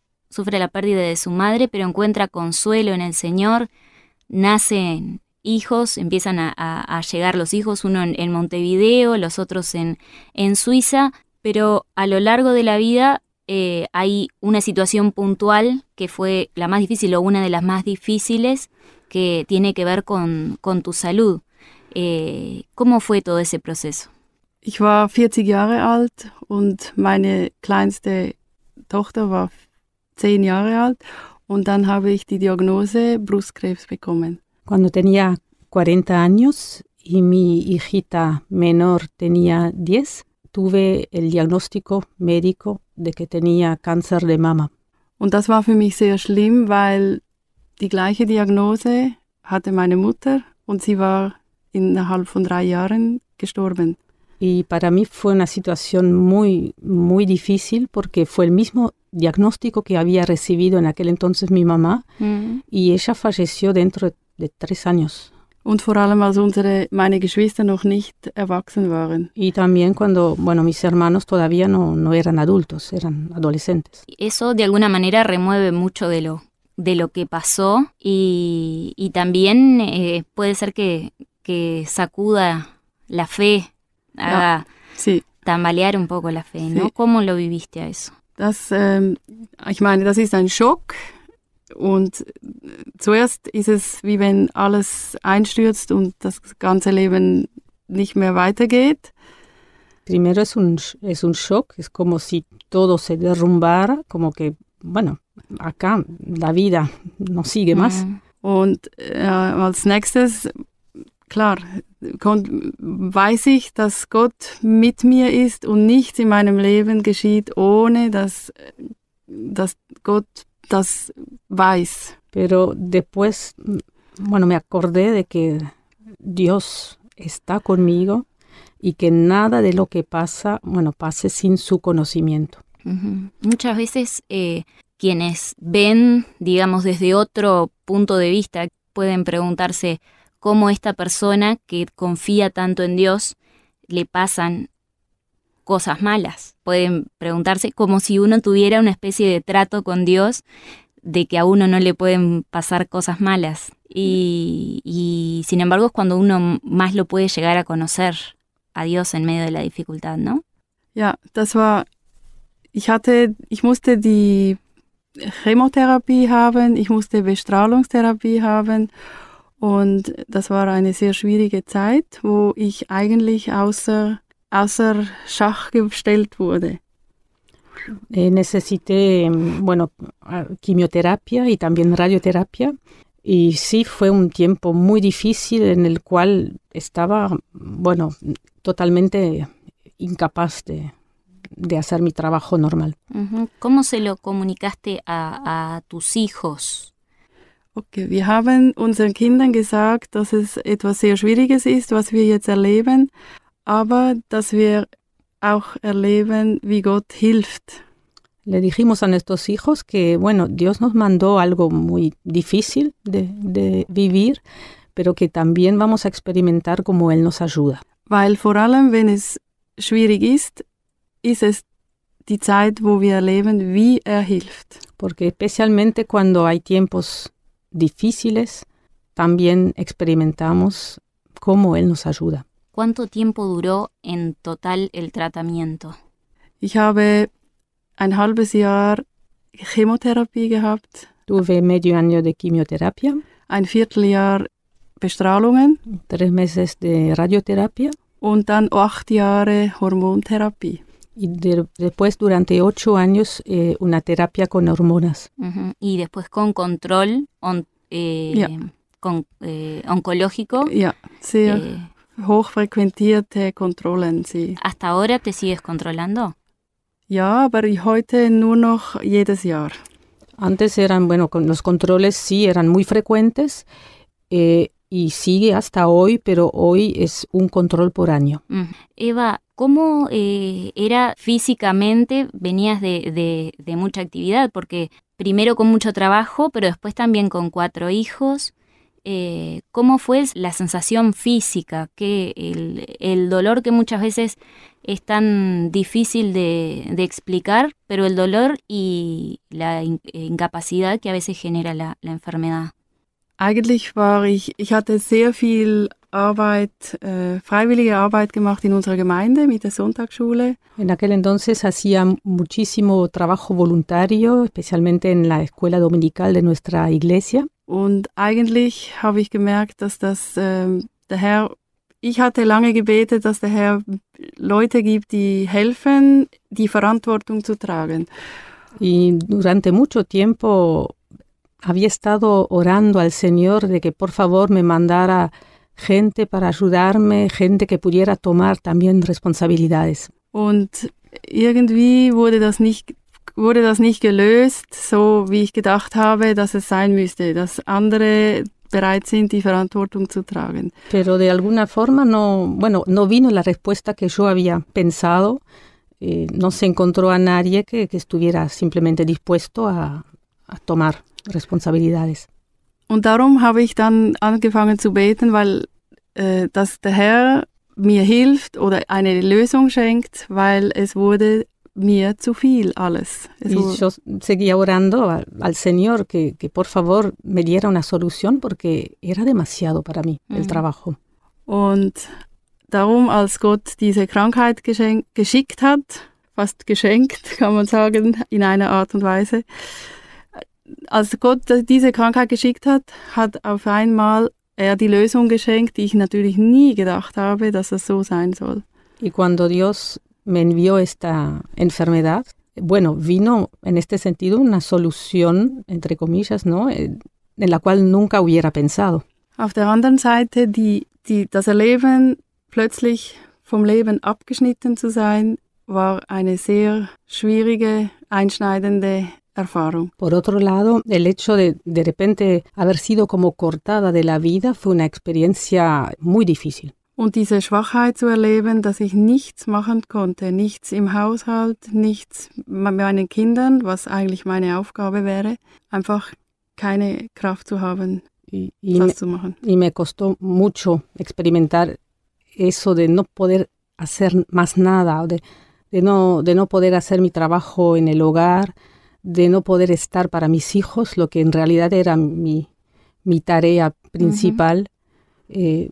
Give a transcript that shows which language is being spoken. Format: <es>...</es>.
<es>sufre la pérdida de su madre, pero encuentra consuelo en el Señor, nacen hijos, empiezan a llegar los hijos, uno en Montevideo, los otros en Suiza, pero a lo largo de la vida hay una situación puntual que fue la más difícil o una de las más difíciles que tiene que ver con tu salud. ¿Cómo fue todo ese proceso?</es> <de>Ich war 40 Jahre alt und meine kleinste Tochter war 10 Jahre alt und dann habe ich die Diagnose Brustkrebs bekommen.</de> <es>Cuando tenía 40 años y mi hijita menor tenía 10, tuve el diagnóstico médico de que tenía cáncer de mama.</es> <de>Und das war für mich sehr schlimm, weil die gleiche Diagnose hatte meine Mutter und sie war innerhalb von 3 Jahren gestorben.</de> <es>Y para mí fue una situación muy, muy difícil porque fue el mismo diagnóstico que había recibido en aquel entonces mi mamá y ella falleció dentro de 3 años.</es> <de>Und vor allem, als meine Geschwister noch nicht erwachsen waren.</de> <es>Y también cuando, bueno, mis hermanos todavía no eran adultos, eran adolescentes. Eso de alguna manera remueve mucho de lo que pasó y también puede ser que sacuda la fe, haga tambalear un poco la fe, ¿no? ¿Cómo lo viviste a eso?</es> <de>Das ist ein Schock. Und zuerst ist es, wie wenn alles einstürzt und das ganze Leben nicht mehr weitergeht.</de> <es>Primero es un shock, es como si todo se derrumbara, como que, bueno, acá la vida no sigue más.</es> <de>Und als nächstes, klar, weiß ich, dass Gott mit mir ist und nichts in meinem Leben geschieht, ohne dass Gott das weiß.</de> <es>Pero después, bueno, me acordé de que Dios está conmigo y que nada de lo que pasa, bueno, pase sin su conocimiento. Muchas veces quienes ven, digamos, desde otro punto de vista, pueden preguntarse cómo esta persona que confía tanto en Dios le pasan cosas malas. Pueden preguntarse como si uno tuviera una especie de trato con Dios de que a uno no le pueden pasar cosas malas. Y sin embargo es cuando uno más lo puede llegar a conocer a Dios en medio de la dificultad, ¿no?</es> <de>Ja, das war, ich musste die Chemotherapie haben, ich musste Bestrahlungstherapie haben und das war eine sehr schwierige Zeit, wo ich eigentlich außer Schach gestellt wurde.</de> <es>Necesité, bueno, quimioterapia y también radioterapia. Y sí, fue un tiempo muy difícil en el cual estaba, bueno, totalmente incapaz de hacer mi trabajo normal. ¿Cómo se lo comunicaste a tus hijos?</es> <de>Okay, wir haben unseren Kindern gesagt, dass es etwas sehr Schwieriges ist, was wir jetzt erleben, aber dass wir auch erleben, wie Gott hilft.</de> <es>Le dijimos a nuestros hijos que, bueno, Dios nos mandó algo muy difícil de vivir, pero que también vamos a experimentar cómo Él nos ayuda.</es> <de>Weil vor allem, wenn es schwierig ist, ist es die Zeit, wo wir erleben, wie er hilft.</de> <es>Porque especialmente cuando hay tiempos difíciles, también experimentamos cómo Él nos ayuda. ¿Cuánto tiempo duró en total el tratamiento?</es> <de>Ich habe ein halbes Jahr Chemotherapie gehabt.</de> <es>Tuve medio año de quimioterapia.</es> <de>Ein Vierteljahr Bestrahlungen.</de> <es>3 meses de radioterapia.</es> <de>Und dann 8 Jahre Hormontherapie.</de> <es>Y después durante 8 años una terapia con hormonas. Uh-huh. Y después con control oncológico.</es> <de>Ja, sehr hochfrequentierte Kontrollen.</de> <es>Sí. ¿Hasta ahora te sigues controlando?</es> <de>Ja, aber heute nur noch jedes Jahr.</de> <es>Antes eran, bueno, los controles sí eran muy frecuentes y sigue hasta hoy, pero hoy es un control por año. Eva, ¿cómo era físicamente? Venías de mucha actividad, porque primero con mucho trabajo, pero después también con 4 hijos. ¿Cómo fue la sensación física? Que el dolor que muchas veces es tan difícil de explicar, pero el dolor y la incapacidad que a veces genera la enfermedad.</es> <de>Eigentlich war ich hatte sehr viel Arbeit, freiwillige Arbeit gemacht in unserer Gemeinde mit der Sonntagsschule.</de> <es>En aquel entonces hacía muchísimo trabajo voluntario, especialmente en la escuela dominical de nuestra iglesia.</es> <de>Und eigentlich habe ich gemerkt, dass das der Herr, ich hatte lange gebetet, dass der Herr Leute gibt, die helfen, die Verantwortung zu tragen.</de> <es>Y durante mucho tiempo había estado orando al Señor de que por favor me mandara gente para ayudarme, gente que pudiera tomar también responsabilidades.</es> <de>Und irgendwie wurde das nicht gelöst, so wie ich gedacht habe, dass es sein müsste, dass andere bereit sind, die Verantwortung zu tragen.</de> <es>Pero de alguna forma no, bueno, no vino la respuesta que yo había pensado. No se encontró a nadie que estuviera simplemente dispuesto a tomar responsabilidades.</es> <de>Und darum habe ich dann angefangen zu beten, weil dass der Herr mir hilft oder eine Lösung schenkt, weil es wurde mir zu viel alles.</de> <es>Yo seguía orando al Señor que por favor me diera una solución porque era demasiado para mí el trabajo.</es> <de>Und darum, als Gott diese Krankheit geschickt hat, fast geschenkt, kann man sagen, in einer Art und Weise, als Gott diese Krankheit geschickt hat, hat auf einmal er die Lösung geschenkt, die ich natürlich nie gedacht habe, dass es so sein soll.</de> <es>Y cuando Dios me envió esta enfermedad, bueno, vino en este sentido una solución, entre comillas, ¿no? En la cual nunca hubiera pensado.</es> <de>Auf der anderen Seite, das Erleben, plötzlich vom Leben abgeschnitten zu sein, war eine sehr schwierige, einschneidende Erfahrung.</de> <es>Por otro lado, el hecho de repente haber sido como cortada de la vida fue una experiencia muy difícil.</es> <de>Und diese Schwachheit zu erleben, dass ich nichts machen konnte, nichts im Haushalt, nichts mit meinen Kindern, was eigentlich meine Aufgabe wäre, einfach keine Kraft zu haben, das zu machen.</de> <es>Y me costó mucho experimentar eso de no poder hacer más nada, de no poder hacer mi trabajo en el hogar, de no poder estar para mis hijos, lo que en realidad era mi tarea principal. Mm-hmm.</es>